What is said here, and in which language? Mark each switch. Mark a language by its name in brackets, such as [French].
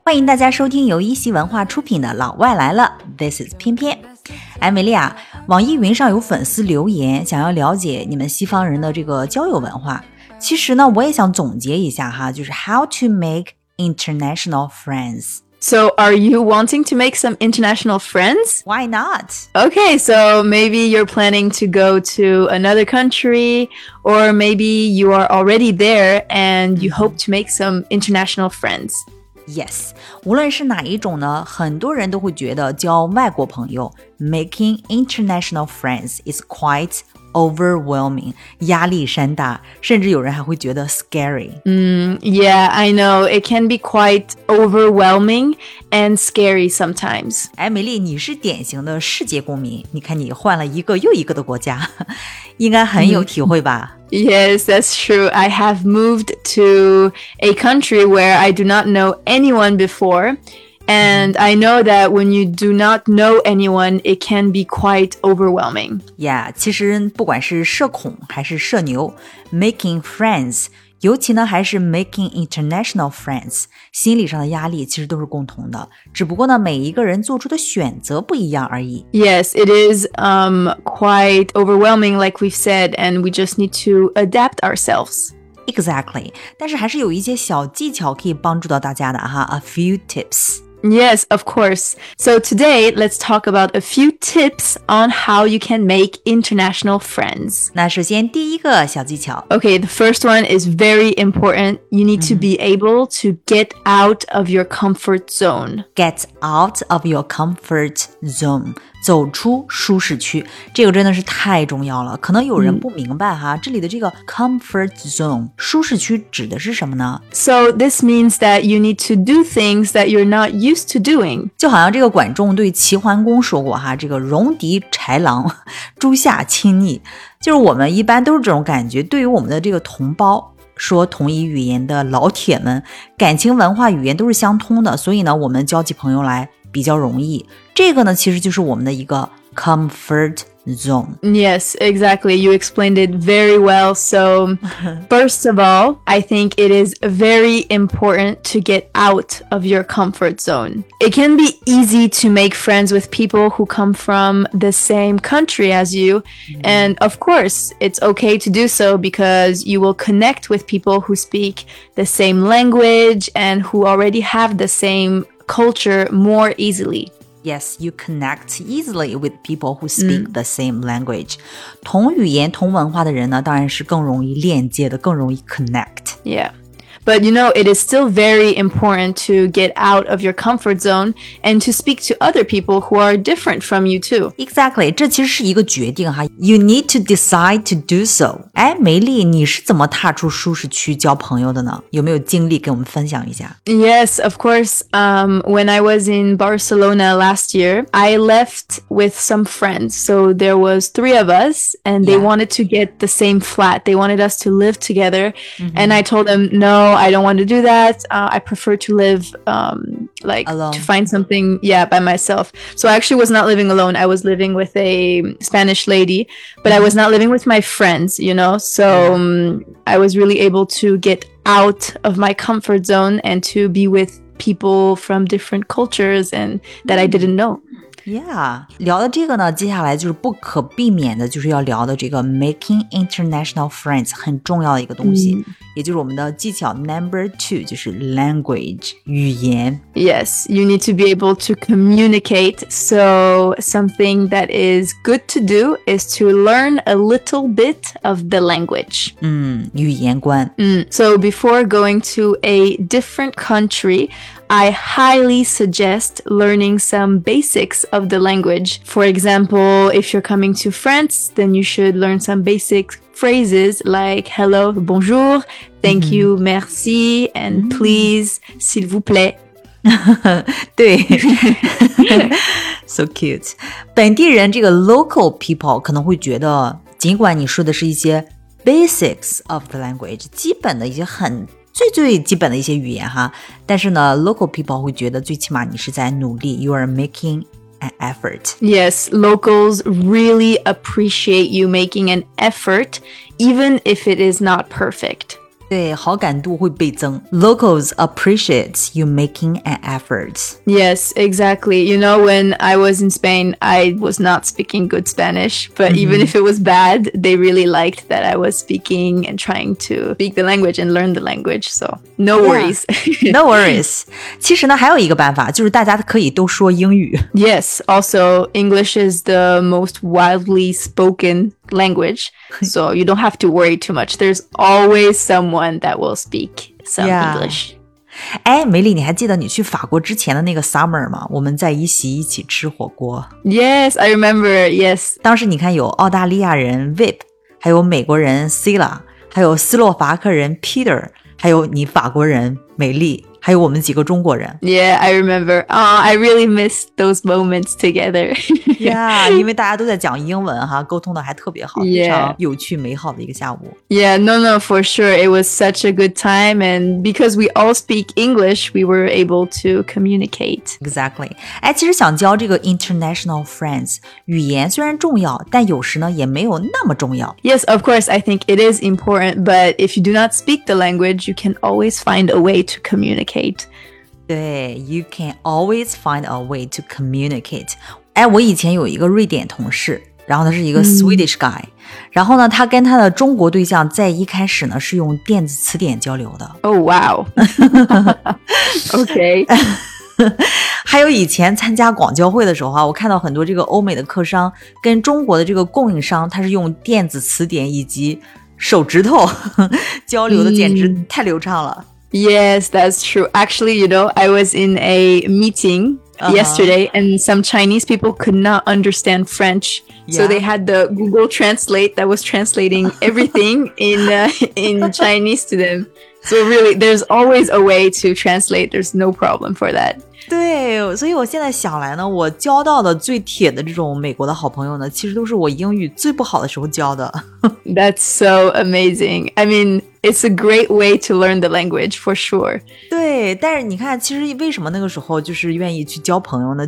[Chinese] 欢迎大家收听由一席文化出品的老外来了。 [English] This is 翩翩。 [Chinese] 哎，美丽啊，网易云上有粉丝留言，想要了解你们西方人的这个交友文化。其实呢，我也想总结一下哈，就是 [English] how to make international friends. So, are you wanting to make some international friends? Why not? Okay, so maybe you're planning to go to another country, or maybe you are already there and you hope to make some international friends. Yes, 无论是哪一种呢，很多人都会觉得交外国朋友 making international friends is quite overwhelming, 压力山大，甚至有人还会觉得 scary. Yeah, I know. It can be quite overwhelming and scary sometimes. [Chinese] 哎，美丽，你是典型的世界公民，你看你换了一个又一个的国家，应该很有体会吧。 [English] Yes, that's true. I have moved to a country where I do not know anyone before. And I know that when you do not know anyone, it can be quite overwhelming. Yeah, [Chinese] 其实不管是社恐还是社牛 [English] making friends, [Chinese] 尤其呢还是 [English] making international friends, [Chinese] 心理上的压力其实都是共同的。只不过呢每一个人做出的选择不一样而已。 [English] Yes, it is, quite overwhelming, like we've said, and we just need to adapt ourselves. Exactly. [Chinese] 但是还是有一些小技巧可以帮助到大家的哈 [English] A few tips. Yes, of course. So today, let's talk about a few tips on how you can make international friends. [Chinese] 那首先第一个小技巧 [English] Okay, the first one is very important. You need to be able to get out of your comfort zone. Get out of your comfort zone. [Chinese] 走出舒适区，这个真的是太重要了。可能有人不明白哈，这里的这个 comfort zone, 舒适区指的是什么呢？ [English] So this means that you need to do things that you're not used to doing. [Chinese] 就好像这个管仲对齐桓公说过哈，这个戎狄豺狼，诸下亲昵，就是我们一般都是这种感觉，对于我们的这个同胞。说同一语言的老铁们，感情文化语言都是相通的，所以呢，我们交起朋友来比较容易。这个呢，其实就是我们的一个 comfort zone. [English] Yes, exactly. You explained it very well. So, first of all, I think it is very important to get out of your comfort zone. It can be easy to make friends with people who come from the same country as you. And of course, it's okay to do so because you will connect with people who speak the same language and who already have the same culture more easily. Yes, you connect easily with people who speak the same language. [Chinese] 同语言、同文化的人呢，当然是更容易链接的，更容易 connect. [English] Yeah. But you know, it is still very important to get out of your comfort zone and to speak to other people who are different from you too. Exactly. [Chinese] 这其实是一个决定哈。 [English] You need to decide to do so. [Chinese] 哎，梅丽，你是怎么踏出舒适区交朋友的呢？有没有经历给我们分享一下？ [English] Yes, of course. When I was in Barcelona last year, I left with some friends. So there was three of us and they wanted to get the same flat. They wanted us to live together. And I told them, no. No, I don't want to do that. I prefer to live, like, alone. To find something, yeah, by myself. So I actually was not living alone. I was living with a Spanish lady, but I was not living with my friends, you know? So I was really able to get out of my comfort zone and to be with people from different cultures and that I didn't know. Yeah. [Chinese] 聊的这个呢，接下来就是不可避免的，就是要聊的这个 [English] making international friends [Chinese] 很重要的一个东西。也就是我们的技巧 [English] number two [Chinese] 就是 language 语言 [English] Yes, you need to be able to communicate. So something that is good to do is to learn a little bit of the language. [Chinese] 语言观 [English] So before going to a different country, I highly suggest learning some basics of the language. For example, if you're coming to France, then you should learn some basics. Phrases like hello, [French] bonjour, [English] thank you, [French] merci, [English] and please, [French] s'il vous plaît. [Chinese] 对 [English] so cute. [Chinese] 本地人这个 [English] local people [Chinese] 可能会觉得，尽管你说的是一些 [English] basics of the language, [Chinese] 基本的一些很最最基本的一些语言哈，但是呢 local people 会觉得最起码你是在努力 [English] you are making an effort. Yes, locals really appreciate you making an effort, even if it is not perfect. [Chinese] 对，好感度会倍增。 [English] Locals appreciate you making an effort. Yes, exactly. You know, when I was in Spain, I was not speaking good Spanish. But、mm-hmm. even if it was bad, they really liked that I was speaking and trying to speak the language and learn the language. So, no worries. Yeah, no worries. [Chinese] 其实呢，还有一个办法，就是大家可以都说英语。 [English] Yes, also, English is the most widely spoken language. So, you don't have to worry too much. There's always someone that will speak some、 yeah. English. [Chinese] 哎，梅丽，你还记得你去法国之前的那个 summer 吗？我们在一席一起吃火锅。 [English] Yes, I remember, yes. [Chinese] 当时你看有澳大利亚人 Vip, 还有美国人 Sila, 还有斯洛伐克人 Peter, 还有你法国人梅丽。还有我们几个中国人。 [English] Yeah, I remember. Oh, I really miss those moments together. Yeah, [Chinese] 因为大家都在讲英文哈，沟通的还特别好， [English] yeah. [Chinese] 非常有趣美好的一个下午。 [English] Yeah, no, no, for sure. It was such a good time. And because we all speak English, we were able to communicate. Exactly. [Chinese] 哎，其实想交这个 [English] international friends, [Chinese] 语言虽然重要，但有时呢也没有那么重要。 [English] Yes, of course, I think it is important. But if you do not speak the language, you can always find a way to communicate. [Chinese] 对 [English] you can always find a way to communicate. [Chinese] 哎，我以前有一个瑞典同事，然后他是一个 [English] Swedish guy、 [Chinese] mm. 然后呢他跟他的中国对象在一开始呢是用电子词典交流的。 [English] Oh wow. Okay. [Chinese] 还有以前参加广交会的时候啊，我看到很多这个欧美的客商跟中国的这个供应商，他是用电子词典以及手指头交流的，简直太流畅了、mm. [English] Yes, that's true. Actually, you know, I was in a meeting、uh-huh. yesterday and some Chinese people could not understand French.、Yeah. So they had the Google Translate that was translating everything in Chinese to them. So really, there's always a way to translate. There's no problem for that. [Chinese] 对，所以我现在想来呢，我交到的最铁的这种美国的好朋友呢，其实都是我英语最不好的时候交的。 [English] That's so amazing. I mean, it's a great way to learn the language, for sure. [Chinese] 对，但是你看，其实为什么那个时候就是愿意去交朋友呢？